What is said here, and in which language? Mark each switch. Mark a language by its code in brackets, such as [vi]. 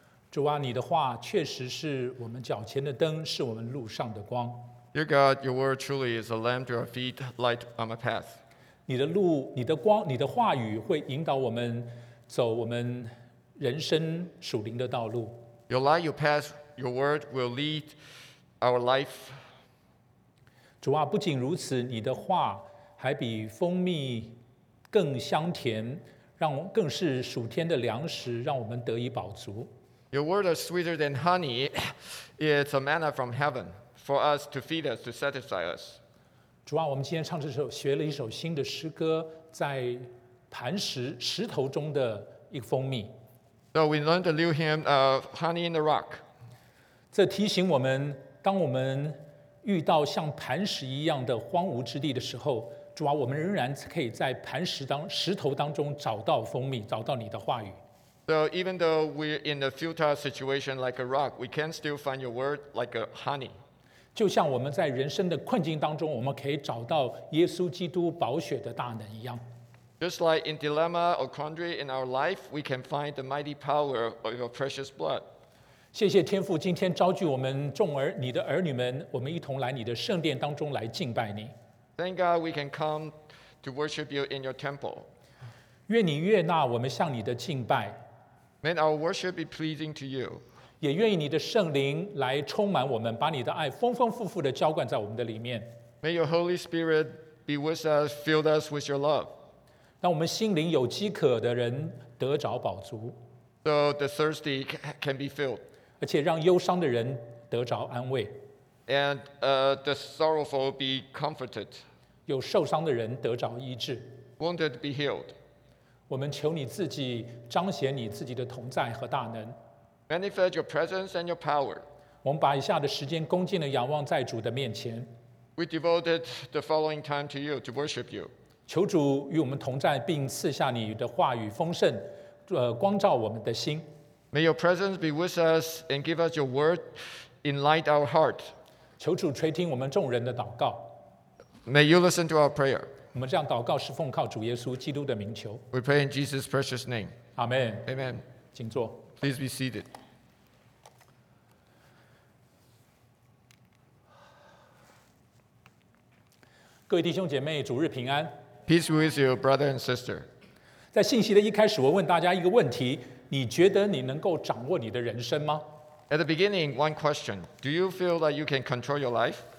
[zh] 主啊，你的话确实是我们脚前的灯，是我们路上的光。 [en] Dear God, your word truly is a lamp to our feet, light on my path. [zh] 你的路，你的光，你的话语会引导我们走我们人生属灵的道路。 [en] Your light, your path, your word will lead our life. [zh] 主啊，不仅如此，你的话还比蜂蜜更香甜，让更是属天的粮食，让我们得以饱足。 [en] Your word is sweeter than honey. It's a manna from heaven. For us to feed us to satisfy us. [zh] 主啊，我们今天唱这首学了一首新的诗歌，在磐石石头中的一个蜂蜜。 [en] So we learned a new hymn of honey in the rock. [zh] 这提醒我们，当我们遇到像磐石一样的荒芜之地的时候，主啊，我们仍然可以在磐石当石头当中找到蜂蜜，找到你的话语。 [en] So even though we're in a futile situation like a rock, we can still find your word like a honey. [zh] 就像我们在人生的困境当中，我们可以找到耶稣基督宝血的大能一样。 [en] Just like in dilemma or quandary in our life, we can find the mighty power of your precious blood. [zh] 谢谢天父，今天召聚我们众儿，你的儿女们，我们一同来你的圣殿当中来敬拜你。 [en] Thank God we can come to worship you in your temple. [zh] 愿你悦纳我们向你的敬拜。 [en] May our worship be pleasing to you. [zh] 也愿意你的圣灵来充满我们，把你的爱丰丰富富的浇灌在我们的里面。 [en] May your Holy Spirit be with us, fill us with your love. [zh] 让我们心灵有饥渴的人得着饱足。 [en] So the thirsty can be filled. [zh] 而且让忧伤的人得着安慰。 [en] And the sorrowful be comforted. [zh] 有受伤的人得着医治。 [en] Wounded be healed. [zh] 我们求你自己彰显你自己的同在和大能。 [en] Manifest your presence and your power. [zh] 我们把以下的时间恭敬地仰望在主的面前。 [en] We devoted the following time to you to worship you. [zh] 求主与我们同在，并赐下你的话语丰盛，光照我们的心。 [en] May your presence be with us and give us your word, enlighten our heart. [zh] 求主垂听我们众人的祷告。 [en] May you listen to our prayer. [zh] 我们这样祷告是奉靠主耶稣基督的名求。 [en] We pray in Jesus' precious name. Amen. Amen. [zh] 请坐。 [en] Please be seated. [zh] 各位弟兄姐妹，主日平安。 [en] Peace be with you, brother and sister. [zh] 在信息的一开始，我问大家一个问题：你觉得你能够掌握你的人生吗？ [en] At the beginning, one question: Do you feel that you can control your life?